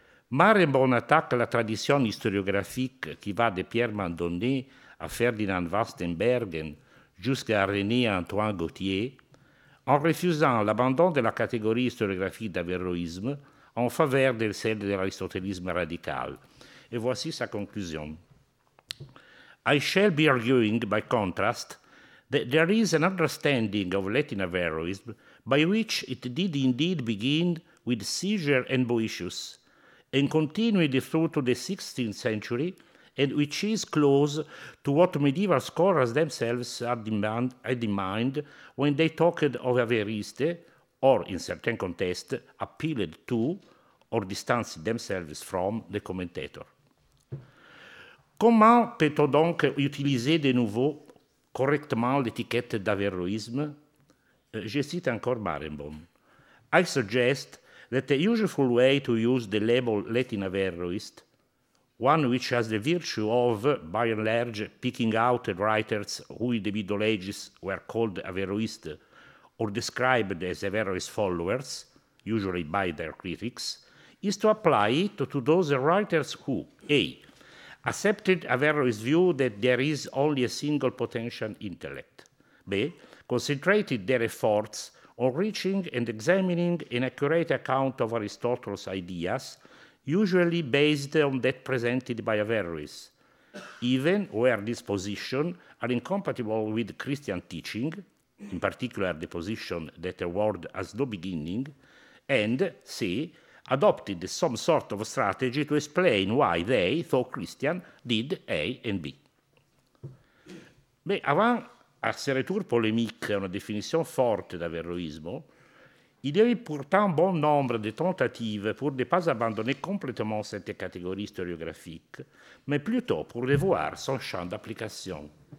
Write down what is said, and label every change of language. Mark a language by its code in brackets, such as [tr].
[fr] Barenboim attaque la tradition historiographique qui va de Pierre Mandonnet à Ferdinand Vastenbergen jusqu'à René-Antoine Gautier, en refusant l'abandon de la catégorie historiographique d'averroïsme en faveur de celle de l'aristotélisme radical. Et voici sa conclusion. [en] I shall be arguing, by contrast, that there is an understanding of Latin averroism by which it did indeed begin with Caesar and Boethius and continued through to the 16th century and which is close to what medieval scholars themselves had in mind when they talked of averriste, or in certain contexts, appealed to, or distanced themselves from, the commentator. [fr] Comment peut-on donc utiliser de nouveau correctement l'étiquette d'averroïsme? Je cite encore Barenboim. [en] I suggest that the usual way to use the label Latin averroist, one which has the virtue of, by and large, picking out the writers who in the Middle Ages were called averroists or described as averroist followers, usually by their critics, is to apply it to those writers who, A, accepted Averroes' view that there is only a single potential intellect, B, concentrated their efforts on reaching and examining an accurate account of Aristotle's ideas, usually based on that presented by Averroes, even where this position are incompatible with Christian teaching, in particular the position that a world has no beginning, and C, adopted some sort of strategy to explain why they, though Christian, did A and B. [fr] Mais avant à ce retour polémique à une définition forte d'averroïsme, il y a eu pourtant bon nombre de tentatives pour ne pas abandonner complètement cette catégorie historiographique, mais plutôt pour revoir son champ d'application.